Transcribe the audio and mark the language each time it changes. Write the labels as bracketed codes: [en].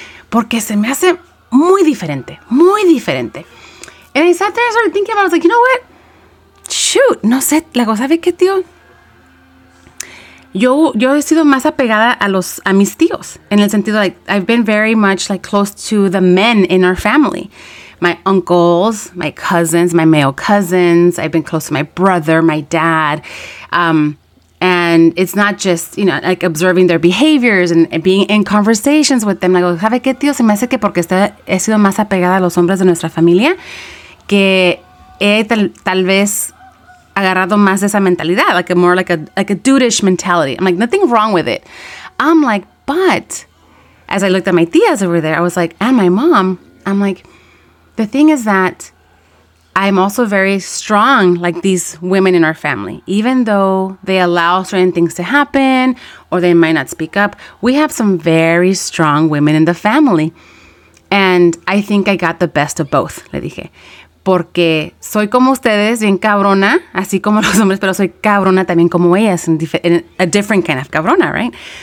[es] Porque se me hace muy diferente, muy diferente. [en] And I sat there and started thinking about it. I was like, you know what? [es] Shoot, no sé. Luego, ¿sabes qué, tío? Yo he sido más apegada a mis tíos. En el sentido, [en] like, I've been very much, like, close to the men in our family. My uncles, my cousins, my male cousins. I've been close to my brother, my dad. And it's not just, you know, like observing their behaviors and being in conversations with them. [es] Like, ¿sabe qué, tío? Se me hace que porque he sido más apegada a los hombres de nuestra familia, que he tal vez agarrado más de esa mentalidad, [en] like a more like a dude-ish mentality. I'm like, nothing wrong with it. I'm like, but as I looked at my tías over there, I was like, and my mom, I'm like, the thing is that I'm also very strong, like these women in our family. Even though they allow certain things to happen or they might not speak up, we have some very strong women in the family. And I think I got the best of both, [es] le dije. Porque soy como ustedes, bien cabrona, así como los hombres, pero soy cabrona también como ellas, [en] in a different kind of cabrona, right?